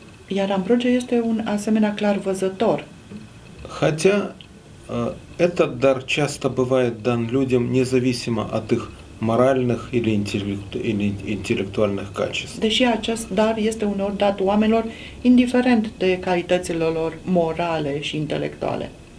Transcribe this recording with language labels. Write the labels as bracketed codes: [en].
[ro] Iar Амброджо este un asemenea clarvăzător. [ru] Хотя этот дар часто бывает дан людям независимо от их моральных или интеллектуальных качеств. [ro] Deși acest dar este uneori dat oamenilor indiferent de calitățile lor morale și intelectuale.